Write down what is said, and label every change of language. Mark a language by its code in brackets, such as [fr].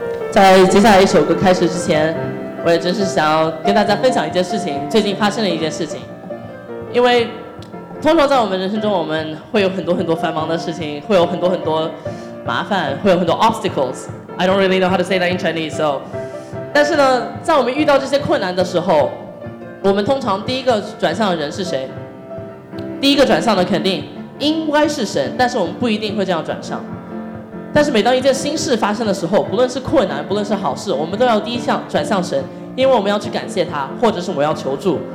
[zh] 在接下来一首歌开始之前，我也真是想要跟大家分享一件事情，最近发生了一件事情。因为通常在我们人生中，我们会有很多很多繁忙的事情，会有很多很多麻烦，会有很多 obstacles。 [en] I don't really know how to say that in Chinese so. [zh] 但是呢，在我们遇到这些困难的时候，我们通常第一个转向的人是谁？第一个转向的肯定应该是神，但是我们不一定会这样转向。但是每当一件新事发生的时候，不论是困难不论是好事，我们都要第一项转向神，因为我们要去感谢他，或者是我们要求助。